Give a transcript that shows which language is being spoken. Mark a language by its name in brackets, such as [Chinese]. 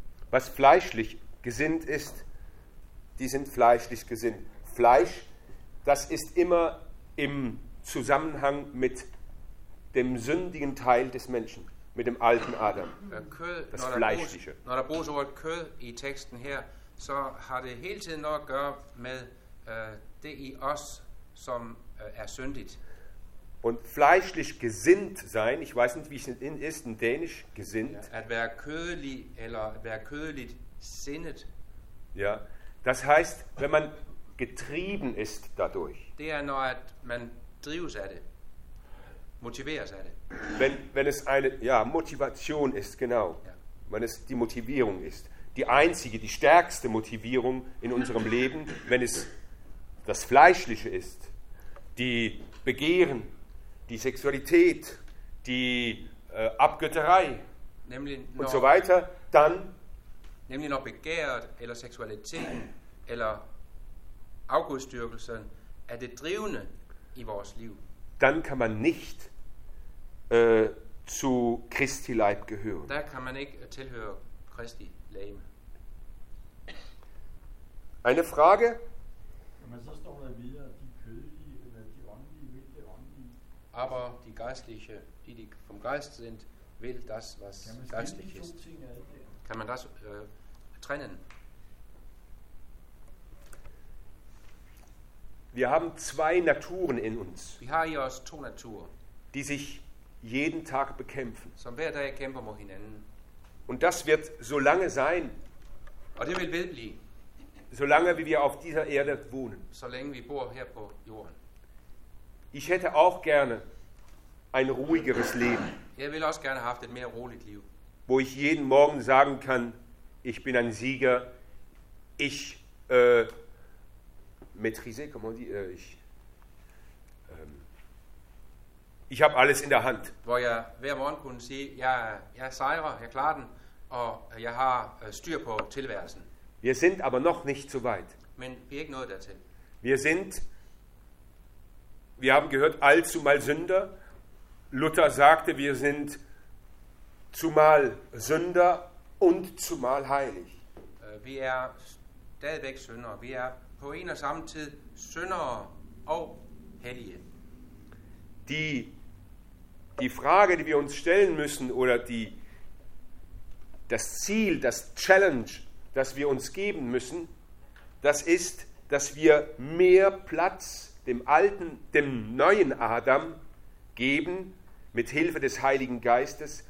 [German] Was fleischlich gesinnt ist, die sind fleischlich gesinnt. Fleisch, das ist immer im Zusammenhang mit dem sündigen Teil des Menschen, mit dem alten Adam. Kød, das Fleischliche. [Danish] Når der bruges ordet kød i teksten her, så har det hele tiden noget at gøre med det i os, som er syndigt. [German] Und fleischlich gesinnt sein, ich weiß nicht, wie es in ist, in Dänisch gesinnt. [Danish] Ja, at være kødelig eller at være kødeligt sindet. [German] Ja, das heißt, wenn man getrieben ist dadurch. [Danish] Det er når at man drives af det, motiveres af det. [German] Wenn es eine, ja, Motivation ist, genau. Ja. Wenn es die Motivierung ist, die einzige, die stärkste Motivierung in unserem Leben, wenn es das Fleischliche ist, die Begehren, die Sexualität, die Abgötterei und so weiter, dann. Nämlich noch Begehrt oder Sexualität oder [Danish] Augustdyrkelsen er det drivende i vores liv. [German] Dann kann man nicht zu Christi Leib gehören. [Danish] Da kann man ikke tilhøre Christi Leib. [German] Eine Frage? [Danish] Jamen, så står der videre, de kødelige eller de åndelige, vil det åndelige. [German] Aber die geistliche, die vom Geist sind, will das, was geistlich ist. Kann man das trennen? Wir haben zwei Naturen in uns. Wir haben hier aus zwei Naturen, die sich jeden Tag bekämpfen. [Danish] Som hver dag kæmper mod hinanden. [German] Und das wird so lange sein. [Danish] Og det vil vedblive. [German] So lange wie wir auf dieser Erde wohnen. [Danish] Så længe vi bor her på jorden. [German] Ich hätte auch gerne ein ruhigeres Leben. [Danish] Jeg vil også gerne have et mere roligt liv. [German] Wo ich jeden Morgen sagen kann, ich bin ein Sieger. Ich [French] maîtrise, comment on dit, [German] ich habe alles in der Hand. [Danish] Wo jeg hver morgen kunne sige, jeg sejrer, jeg klarer den, og jeg har styr på tilværelsen. [German] Wir sind aber noch nicht so weit. [Danish] Men vi er ikke nået dertil. [German] Wir haben gehört, allzumal Sünder. Luther sagte, wir sind zumal Sünder und zumal heilig. [Danish] Vi er stadigvæk syndere. Vi er på en og samme tid syndere og hellige. [German] Die Frage, die wir uns stellen müssen, oder das Ziel, das Challenge, das wir uns geben müssen, das ist, dass wir mehr Platz dem alten, dem neuen Adam geben, mit Hilfe des Heiligen Geistes.